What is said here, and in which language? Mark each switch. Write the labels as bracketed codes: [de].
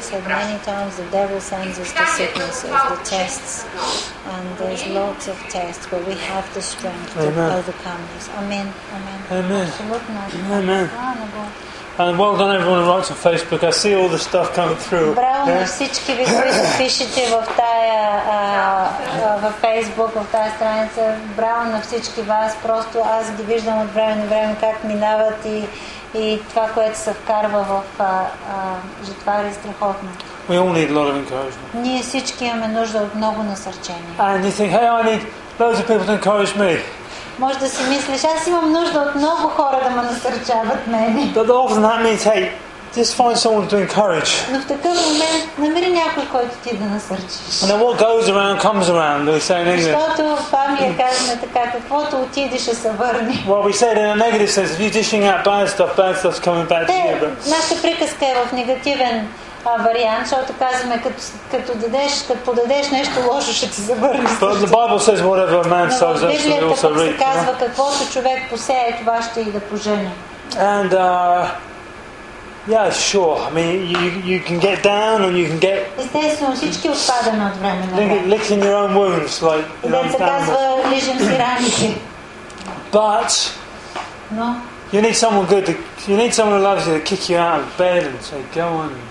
[en] said many times the devil sends us the sicknesses, the tests, and there's lots of tests, but we have the strength Amen. To overcome this. Amen. Amen. Amen. Absolutely. Amen. And well done everyone who writes on Facebook. I see all the stuff coming through. [bg] Браво на всички ви, които пишете в тая в Facebook, в тая страница. Браво на всички вас. Просто аз ги виждам от време на време как минават и това, което се вкарва в Житвари, страхотно. [en] We all need a lot of encouragement. [bg] Ние всички имаме нужда от много насърчение. [en] And you think, hey, I need loads of people to encourage me. [bg] Може да си мислиш, аз имам нужда от много хора да ме насърчават мене. [en] But often that means, hey, just find someone to encourage. [bg] Но в такъв момент намери някой, който ти да насърчиш. [en] And then what goes around comes around, we say in English. [bg] Защото Павлия казваме така, каквото отиде ще се върне. [en] Well, we said in a negative sense, if you're dishing out bad stuff's coming back to you. But... [bg] Нашата приказка е в негативен вариант, защото казваме, като подадеш нещо лошо, ще ти завърне. [en] But the Bible says whatever a man sows, that should also reap. [bg] Библията казва, каквото човек посее, това ще и да пожене. [en] And, yeah, sure. I mean, you can get down and you can get... [bg] Естествено, всички отпадаме от време на време. [en] Licking your own wounds, like... [bg] Библията казва, лижем си раните. [en] But... No. You need someone good, you need someone who loves you to kick you out of bed and say, go on.